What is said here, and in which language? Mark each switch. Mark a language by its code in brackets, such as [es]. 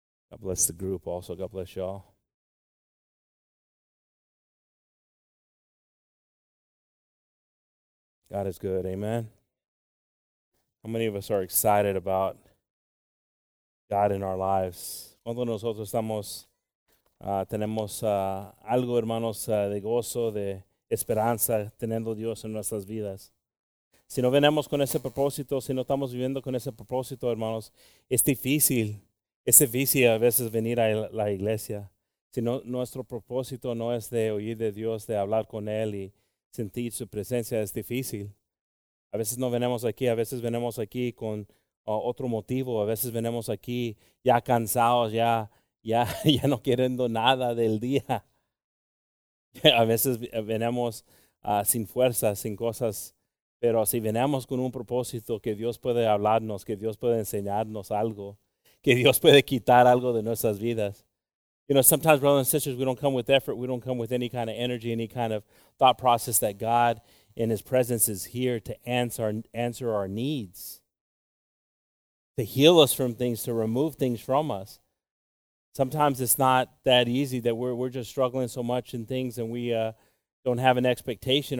[en] God bless the group also. God bless y'all. God is good. Amen. How many of us are excited about God in our lives? [es] ¿Cuántos nosotros estamos, tenemos algo, hermanos, de gozo, de esperanza, teniendo Dios en nuestras vidas? Si no venimos con ese propósito, si no estamos viviendo con ese propósito, hermanos, es difícil. Ese vicio a veces venir a la iglesia, si no, nuestro propósito no es de oír de Dios, de hablar con Él y sentir su presencia, es difícil. A veces no venimos aquí, a veces venimos aquí con otro motivo, a veces venimos aquí ya cansados, ya no queriendo nada del día. A veces venimos sin fuerzas, sin cosas, pero si venimos con un propósito, que Dios puede hablarnos, que Dios puede enseñarnos algo, que Dios puede quitar algo de nuestras vidas. [en] You know, sometimes, brothers and sisters, we don't come with effort. We don't come with any kind of energy, any kind of thought process that God in his presence is here to answer our needs, to heal us from things, to remove things from us. Sometimes it's not that easy, that we're just struggling so much in things and we don't have an expectation.